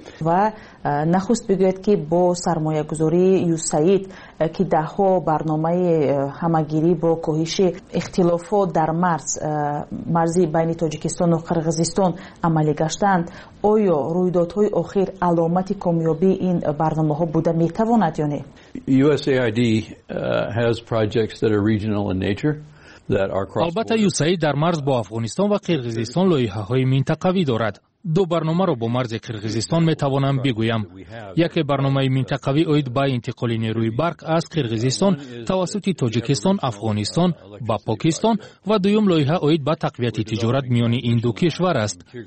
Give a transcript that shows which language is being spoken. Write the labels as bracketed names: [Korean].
[Persian] و نخست بگوید که با سرمایه گذاری یوسایت که ده‌ها برنامه همگیری با کاهش اختلافات در مرزی بین تاجیکستان و قرغیزستان عملی گشتند، آیا رویدادهای آخر علامت کامیابی این برنامه‌ها بوده می‌تواند یا نه؟ [English] USAID has projects that are regional in nature. [Persian] البته یوسایت در مرز با افغانستان و قرغیزستان لایحه‌های منطقوی دارد. دو برنامه را با مرز قرغیزستان می توانم بگویم. یک برنامه منطقوی اید با انتقال نیروی برق از قرغیزستان توسط تاجیکستان، افغانستان و پاکستان و دویم لایحه اید با تقویت تجارت میان این دو کشور است.